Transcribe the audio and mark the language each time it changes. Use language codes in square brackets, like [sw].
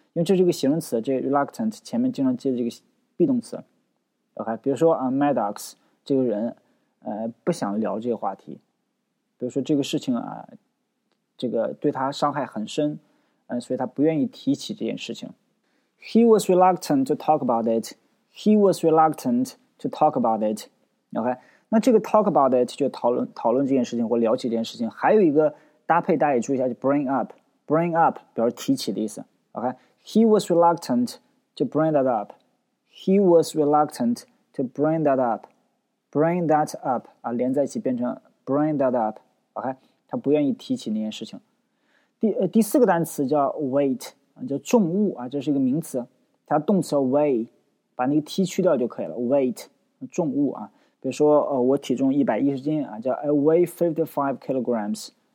[zh] 因为这是一个形容词，这个 reluctant 前面经常接的这个 be 动词。 OK， 比如说啊 ，Maddox 这个人，不想聊这个话题。比如说这个事情啊，这个对他伤害很深，所以他不愿意提起这件事情。 [en] He was reluctant to talk about it. He was reluctant to talk about it. [zh] OK， 那这个 [en] talk about it [zh] 就讨论这件事情或聊起这件事情。还有一个搭配，大家也注意一下，就 bring up 表示提起的意思。 OK。 [en] He was reluctant to bring that up. He was reluctant to bring that up. Bring that up. [zh] 啊，连在一起变成 [en] bring that up. [zh] OK， 他不愿意提起那件事情。第四个单词叫 weight， 叫重物啊，这是一个名词。它动词 weigh， 把那个 t 去掉就可以了。Weight， 重物啊。比如说，我体重110斤啊，叫 [en] I weigh 55 kilograms.